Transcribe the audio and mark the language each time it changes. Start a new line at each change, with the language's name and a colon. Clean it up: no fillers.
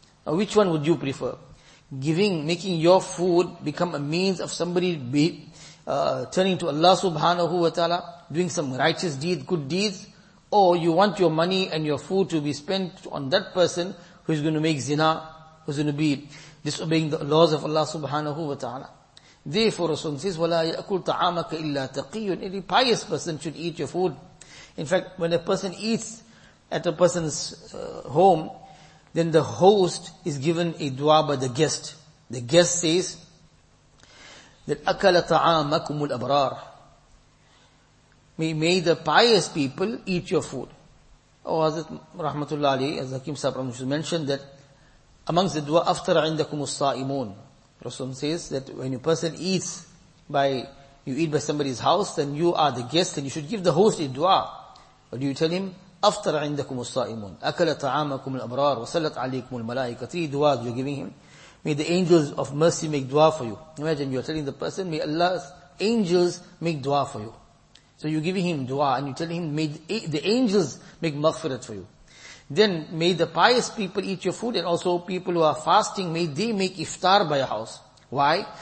English: Now, which one would you prefer? Making your food become a means of somebody turning to Allah subhanahu wa ta'ala, doing some righteous deeds, good deeds, or you want your money and your food to be spent on that person who is going to make zina, who is going to be disobeying the laws of Allah subhanahu wa ta'ala. Therefore, Rasul says,
Arabic: وَلَا يَأْكُلْ طَعَامَكَ إِلَّا تَقِيٌّ.
English: Any pious person should eat your food. In fact, when a person eats at a person's home, then the host is given a dua by the guest. The guest says that
Arabic: أَكَلَ طَعَامَكُمُ الْأَبْرَارِ.
English: May the pious people eat your food. Oh, Hazrat Rahmatullah Ali, as Hakim Sahib mentioned, that amongst the dua,
Arabic: أَفْتَرَ عِنْدَكُمُ الصَّائِمُونَ.
English: Rasul says that when a person eats by somebody's house, then you are the guest and you should give the host a dua. What do you tell him?
Arabic: أفطر عندكم الصائمون أكل طعامكم الأبرار وسلط عليكم الملائكة.
English: Three duas you're giving him. May the angels of mercy make dua for you. Imagine you're telling the person, may Allah's angels make dua for you. So you're giving him dua and you're telling him, may the angels make maghfirat for you. Then may the pious people eat your food, and also people who are fasting, may they make iftar by your house. Why?